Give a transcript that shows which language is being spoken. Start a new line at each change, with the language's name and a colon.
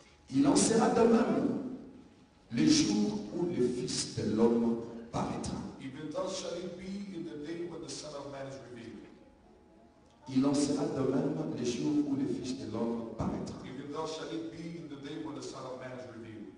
French: Il en sera de même le jour où le Fils de l'homme paraîtra.
English: Even thus shall it be in the day when the Son of Man is revealed.
French: Il en sera de même le jour où le Fils de l'homme paraîtra.
English: Even thus shall it be in the day when the Son of Man is revealed.